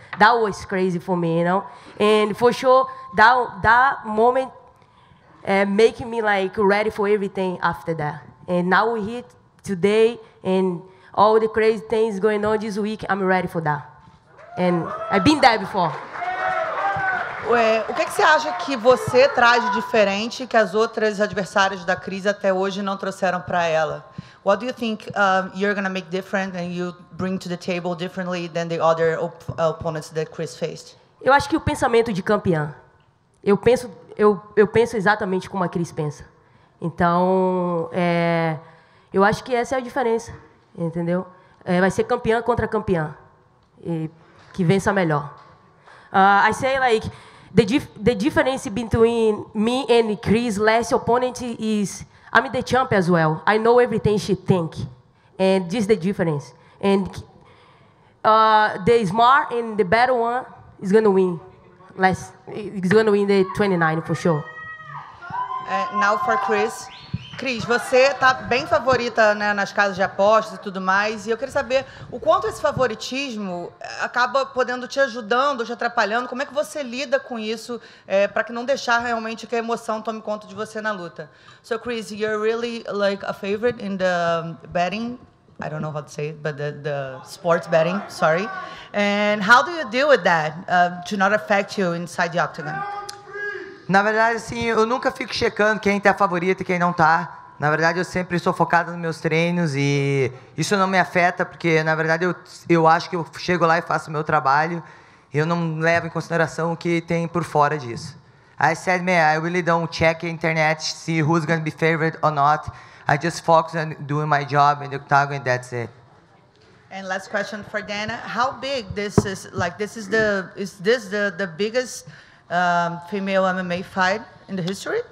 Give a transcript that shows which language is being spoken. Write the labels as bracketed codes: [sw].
[en] That was crazy for me, you know. And for sure, that moment making me like ready for everything after that. And now we're here today, and all the crazy things going on this week, I'm ready for that. And I've been there before. [pt] O que você acha que você traz diferente que as outras adversárias da Cris até hoje não trouxeram para ela? [en] What do you think you're going to make different and you bring to the table differently than the other opponents that Chris faced? [pt] Eu acho que o pensamento de campeã. Eu penso exatamente como a Chris pensa. Então, eu acho que essa é a diferença, entendeu? Vai ser campeã contra campeã. E que vença melhor. [en] I say like the difference between me and Chris' last opponent is I'm the champ as well. I know everything she think, and this is the difference. And the smart and the better one is gonna win. He's gonna win the 29 for sure. Now for Chris. [pt] Cris, você está bem favorita, né, nas casas de apostas e tudo mais, e eu queria saber o quanto esse favoritismo acaba podendo te ajudando, te atrapalhando, como é que você lida com isso para que não deixar realmente que a emoção tome conta de você na luta. [en] So, Cris, you're really like a favorite in the betting, I don't know how to say it, but the sports betting, sorry. And how do you deal with that to not affect you inside the octagon? [pt] Na verdade, assim, eu nunca fico checando quem tá favorito e quem não tá, Na verdade, eu sempre estou focado nos meus treinos e isso não me afeta, porque, na verdade, eu acho que eu chego lá e faço o meu trabalho e eu não levo em consideração o que tem por fora disso. [en] I said, man, I really don't check the internet, see who's going to be favored or not. I just focus on doing my job in the octagon, and that's it. And last question for Dana. How big this is, like, this is the, is this the biggest female MMA fight in the history?